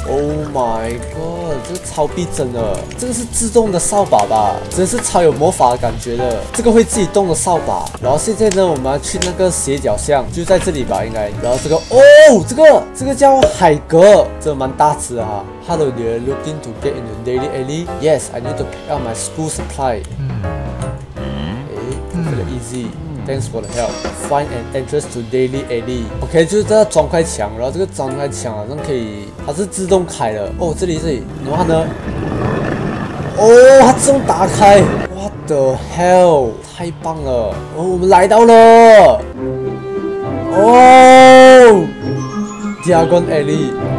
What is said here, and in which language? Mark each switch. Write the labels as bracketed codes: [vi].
[en] Oh my god， [zh] 这个超逼真的，这个是自动的扫把吧？真是超有魔法的感觉的，这个会自己动的扫把。然后现在呢，我们要去那个斜角巷，就在这里吧，应该。然后这个，哦，这个叫海格，这个、蛮大只啊。 [en] Hello, you're looking to get into Daily Alley? Yes, I need to pick up my school supply. Very easy. Thanks for the help. Find an entrance to Daily Alley. [zh] OK， 就是这个砖块墙，然后这个砖块墙好像可以，它是自动开的。哦，这里，然后呢？哦，它自动打开。 [en] What the hell？ [zh] 太棒了！哦，我们来到了。哦 ，Diagon Alley。